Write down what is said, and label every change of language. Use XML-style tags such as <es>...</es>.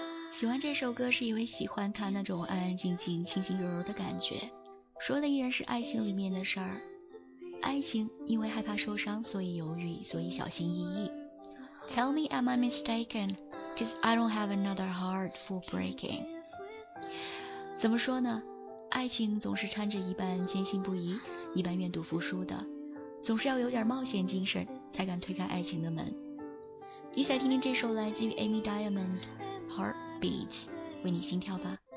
<zh>喜欢这首歌是因为喜欢他那种安安静静轻轻柔柔的感觉，说的依然是爱情里面的事儿。爱情因为害怕受伤，所以犹豫，所以小心翼翼。</zh> <en>Tell me am I mistaken, cause I don't have another heart for breaking。</en> <zh>怎么说呢，爱情总是掺着一半坚信不疑，一半愿赌服输的，总是要有点冒险精神才敢推开爱情的门。一起来听听这首来自于 Amy Diamond Heartbeats， 为你心跳吧。</zh>